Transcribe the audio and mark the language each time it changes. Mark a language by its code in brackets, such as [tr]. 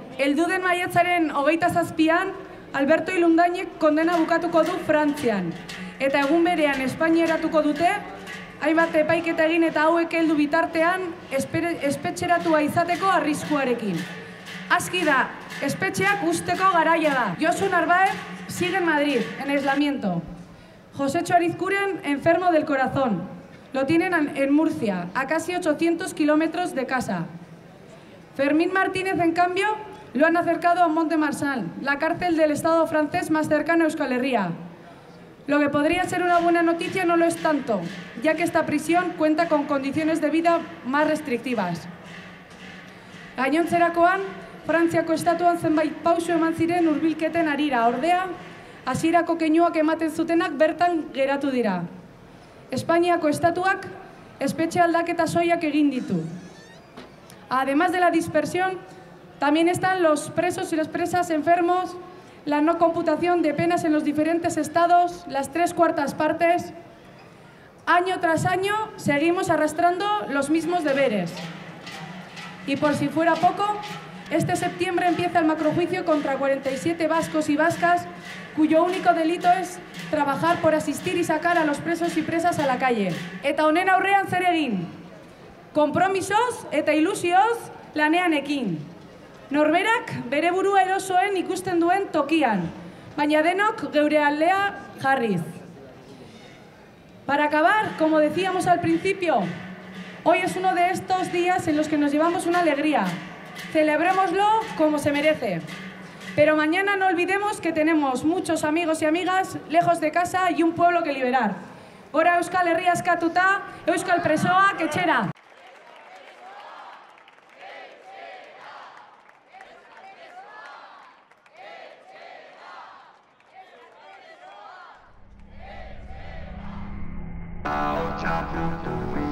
[eu] Heldu den maiatzaren 27an Alberto Ilundainek kondena bukatuko du Frantzian eta egun berean Espainieratuko dute. Hainbat epaiketa egin eta hauek heldu bitartean espetxeratua izateko arriskuarekin. Aski da, espetxeak usteko garaia da. [es] Josu Narváez sigue en Madrid en aislamiento. José Chorizcuren, enfermo del corazón. Lo tienen en Murcia, a casi 800 kilómetros de casa. Fermín Martínez, en cambio, lo han acercado a Mont-de-Marsan, la cárcel del Estado francés más cercana a Euskal Herria. Lo que podría ser una buena noticia no lo es tanto, ya que esta prisión cuenta con condiciones de vida más restrictivas. [eu] Gainontzerakoan, Frantziako estatuan zenbait pauso eman ziren hurbilketen arira, ordea, hasierako keinuak ematen zutenak bertan geratu dira. Espainiako estatuak espetxe aldaketa soilak egin ditu. [es] Además de la dispersión, también están los presos y las presas enfermos, la no computación de penas en los diferentes estados, las tres cuartas partes. Año tras año seguimos arrastrando los mismos deberes. Y por si fuera poco, este septiembre empieza el macrojuicio contra 47 vascos y vascas cuyo único delito es trabajar por asistir y sacar a los presos y presas a la calle. [eu] Eta honen aurrean zer egin? Compromisos eta ilusios lanean ekin. Norberak bere burua erosoen ikusten duen tokian, baina denok geure aldea jarriz. [es] Para acabar, como decíamos al principio, hoy es uno de estos días en los que nos llevamos una alegría. Celebrémoslo como se merece. Pero mañana no olvidemos que tenemos muchos amigos y amigas lejos de casa y un pueblo que liberar. [eu] Gora Euskal Herria askatuta, Euskal Presoak etxera. Etxera! Etxera! Etxera! Etxera! Etxera! Etxera!